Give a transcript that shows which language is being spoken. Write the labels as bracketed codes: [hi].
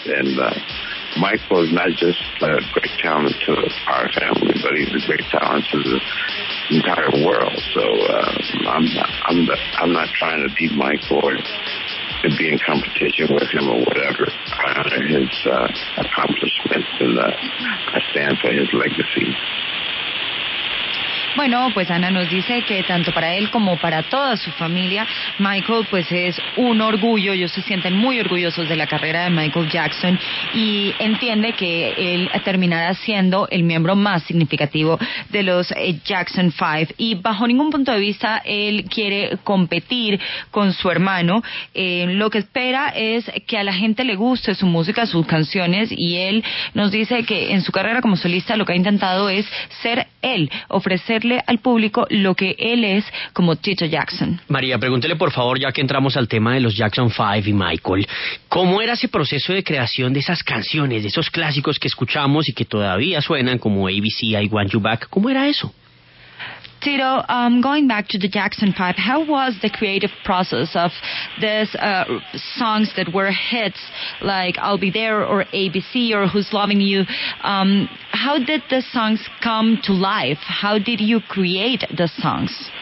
[en] And Michael is not just a great talent to our family, but he's a great talent to the entire world. So I'm not trying to beat Michael or to be in competition with him or whatever. I honor his accomplishments, and I stand for his legacy. [es] Bueno, pues Ana nos dice que tanto para él como para toda su familia, Michael pues es un orgullo. Ellos se sienten muy orgullosos de la carrera de Michael Jackson y entiende que él terminará siendo el miembro más significativo de los Jackson 5. Y bajo ningún punto de vista él quiere competir con su hermano. Lo que espera es que a la gente le guste su música, sus canciones, y él nos dice que en su carrera como solista lo que ha intentado es ser él, ofrecer al público lo que él es como Tito Jackson. María, pregúntele por favor, ya que entramos al tema de los Jackson 5 y Michael, ¿cómo era ese proceso de creación de esas canciones, de esos clásicos que escuchamos y que todavía suenan como ABC, I Want You Back? ¿Cómo era eso? [en] Tito, going back to the Jackson 5, how was the creative process of these songs that were hits like I'll Be There or ABC or Who's Loving You? How did the songs come to life? How did you create the songs?